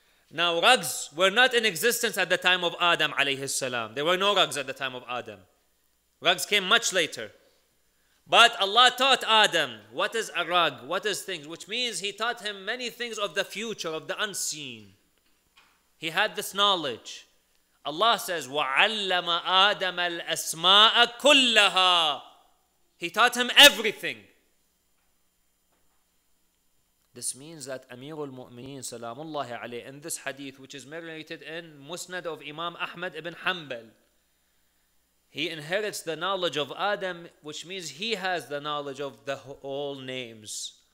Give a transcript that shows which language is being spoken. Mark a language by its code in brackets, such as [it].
[en] Now, rugs were not in existence at the time of Adam, alayhi salam. There were no rugs at the time of Adam. Rugs came much later. But Allah taught Adam, what is a rug, what is things, which means he taught him many things of the future, of the unseen. He had this knowledge. [ar] Allah says, وَعَلَّمَ آدَمَ الْأَسْمَاءَ كُلَّهَا. [en] He taught him everything. This means that Amir al-Mu'mineen, salamullahi alayhi, in this hadith, which is narrated in Musnad of Imam Ahmad ibn Hanbal, he inherits the knowledge of Adam, which means he has the knowledge of the all names.